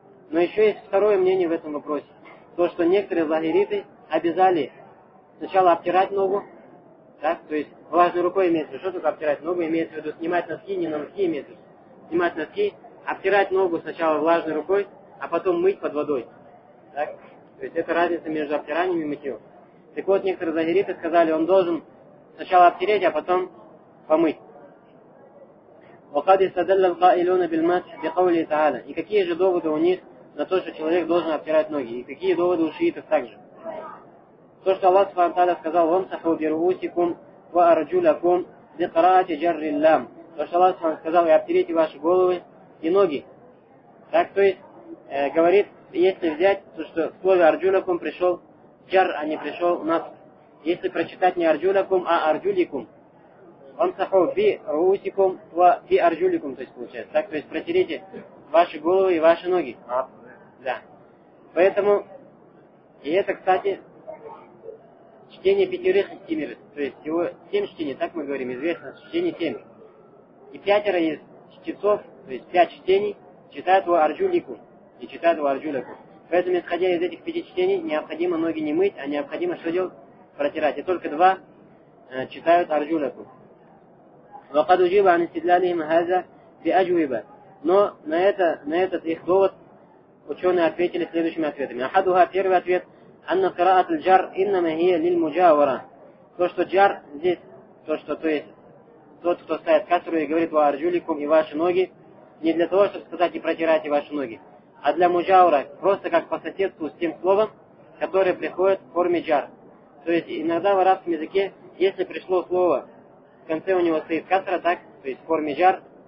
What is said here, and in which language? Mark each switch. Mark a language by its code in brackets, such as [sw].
[ru] Но еще есть второе мнение в этом вопросе. То, что некоторые лагериты обязали сначала обтирать ногу, так, то есть влажной рукой имеется в виду, что только обтирать ногу, имеется в виду снимать носки, не на носки имеется в виду, снимать носки, обтирать ногу сначала влажной рукой, а потом мыть под водой. Так, то есть это разница между обтиранием и мытьем. Так вот, некоторые лагериты сказали, он должен сначала обтереть, а потом помыть. [ar] وقد استدل القائلون بالمسح بقوله تعالى. [ru] И какие же доводы у них на то, что человек должен обтирать ноги? И какие доводы у шиитов также? То, что Аллах Субхану Тааля сказал: [ar] «Вамсаху бируусикум ва арджулякум бикараати джарри ллам». [ru] То, что Аллах Субхану сказал: «И обтерите ваши головы и ноги». Так, то есть, говорит, если взять то, что в слове «арджулякум» пришел «джар», а не пришел у нас. Если прочитать не «арджулякум», а «арджуликум». [ar] Вамсаху би руусикум ва би арджуликум, [ru] то есть получается. Так, то есть протерите ваши головы и ваши ноги. Да. Поэтому, и это, кстати, чтение пятерых хатимир, то есть всего семь чтений, так мы говорим, известно, чтение семь. И пятеро из чтецов, то есть пять чтений, читают ва арджуликум и читают ва арджуликум. Поэтому, исходя из этих пяти чтений, необходимо ноги не мыть, а необходимо что делать? Протирать. И только два читают арджуликум. [ar] وقد أجيب عن استدلالهم هذا بأجوبة. [ru] Но на этот их довод ученые ответили следующими ответами. [ar] أحدها [ru] первый ответ [ar] أن قراءة الجر إنما هي للمجاورة. [ru] То, что джар здесь, то есть тот, кто ставит кассеру и говорит ва арджуликум и ваши ноги, не для того, чтобы сказать и протирайте ваши ноги, а для муджаура, просто как по соседству с тем словом, которое приходит в форме джар. То есть иногда в арабском языке, если пришло слово, в конце у него стоит касра, так, то есть в форме джар,